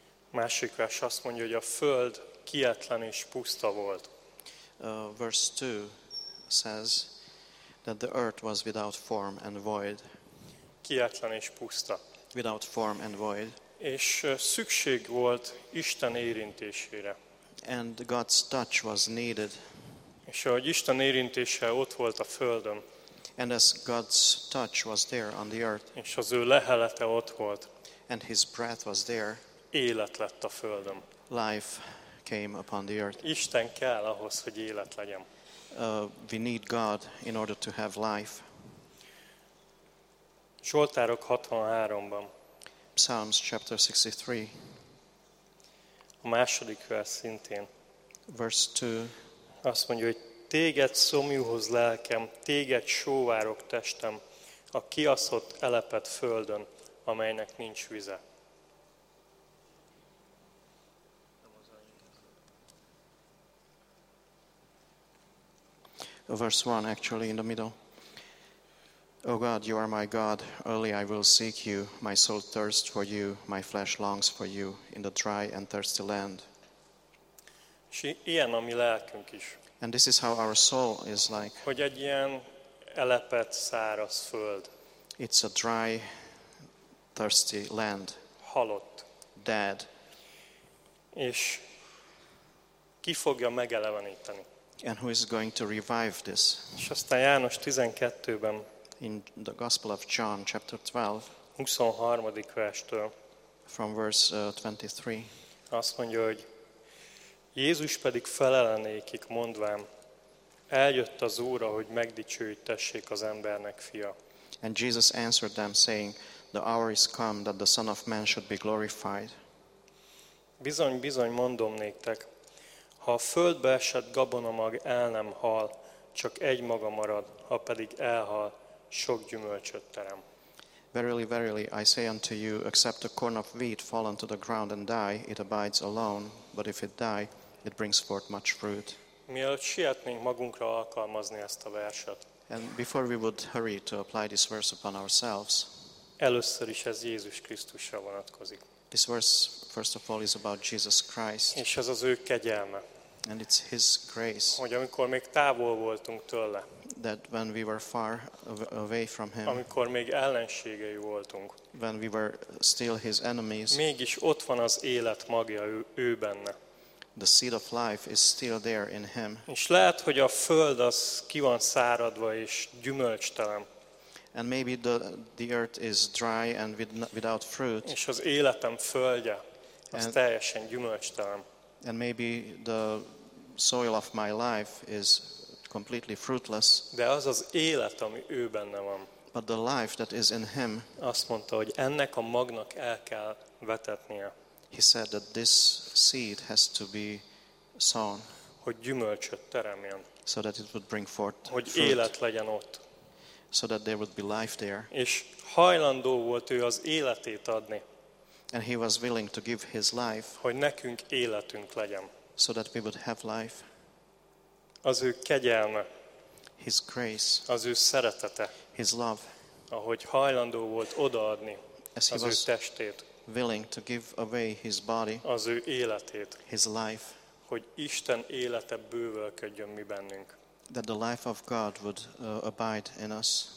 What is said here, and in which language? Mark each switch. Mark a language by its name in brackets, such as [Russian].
[Hungarian] Másik vers azt mondja, hogy a föld kietlen és puszta volt. [English] Verse 2 says that the earth was without form and void. [Hungarian] Kietlen és puszta. [English] Without form and void. [Hungarian] És szükség volt Isten érintésére. [English] And God's touch was needed. [Hungarian] És ahogy Isten érintése ott volt a földön. [English] And as God's touch was there on the earth. [Hungarian] És az ő lehelete ott volt. [English] And his breath was there. [Hungarian] Élet lett a földön. [English] Life came upon the earth. [Hungarian] Isten kell ahhoz, hogy élet legyen. [English] We need God in order to have life. [Hungarian] Zsoltárok 63-ban. [English] Psalms chapter 63. [Hungarian] A második vers szintén. [English] Verse 2. [Hungarian] Azt mondja, hogy téged szomjúhoz lelkem, téged sóvárok testem, a kiaszott elepet földön, amelynek nincs vize. [English] Verse 1, actually, in the middle. O God, you are my God, early I will seek you. My soul thirsts for you, my flesh longs for you, in the dry and thirsty land. [Hungarian] És ilyen a mi lelkünk is. [English] And this is how our soul is like. [Hungarian] Hogy egy ilyen elepet, száraz föld. [English] It's a dry, thirsty land. [Hungarian] Halott. [English] Dead. [Hungarian] És ki fogja megeleveníteni? [English] And who is going to revive this? [Hungarian] És aztán János 12-ben. [English] In the Gospel of John, chapter 12. [Hungarian] 23. verstől. [English] From verse 23. [Hungarian] Azt mondja, hogy Jézus pedig felelenékik mondván, eljött az óra, hogy megdicsőítessék az embernek fia. [English] And Jesus answered them, saying, the hour is come that the Son of Man should be glorified. [Hungarian] Bizony, bizony, mondom néktek, ha a földbe esett gabonamag el nem hal, csak egy maga marad, ha pedig elhal, sok gyümölcsöt terem. [English] Verily, verily, I say unto you, except a corn of wheat fall unto the ground and die, it abides alone, but if it die, it brings forth much fruit. [Hungarian] Mielőtt sietnénk magunkra alkalmazni ezt a verset. [English] And before we would hurry to apply this verse upon ourselves. [Hungarian] Először is ez Jézus Krisztusra vonatkozik. [English] This verse, first of all, is about Jesus Christ. [Hungarian] És ez az ő kegyelme. [English] And it's his grace. [Hungarian] Hogy amikor még távol voltunk tőle. [English] That when we were far away from him. [Hungarian] Amikor még ellenségei voltunk. [English] When we were still his enemies. [Hungarian] Mégis ott van az élet magja ő benne. [English] The seed of life is still there in him. [Hungarian] És lehet, hogy a föld az ki van száradva és gyümölcstelen. [English] And maybe the earth is dry and without fruit. [Hungarian] És az életem földje az teljesen gyümölcstelen. [English] And maybe the soil of my life is completely fruitless. [Hungarian] De az az élet, ami ő benne van. [English] But the life that is in him. [Hungarian] Azt mondta, hogy ennek a magnak el kell vetetnie. [English] He said that this seed has to be sown. [Hungarian] Hogy gyümölcsöt teremjen. [English] So that it would bring forth fruit. [Hungarian] Hogy élet legyen ott. [English] So that there would be life there. [Hungarian] És hajlandó volt ő az életét adni. [English] And he was willing to give his life. [Hungarian] Hogy nekünk életünk legyen. [English] So that we would have life. [Hungarian] Az ő kegyelme. [English] His grace. [Hungarian] Az ő szeretete. [English] His love. [Hungarian] Ahogy hajlandó volt odaadni [English] as [Hungarian] az ő testét. [English] Willing to give away his body. [Hungarian] Az ő életét. [English] His life. [Hungarian] Hogy Isten élete bővölködjön mi bennünk. [English] That the life of God would abide in us.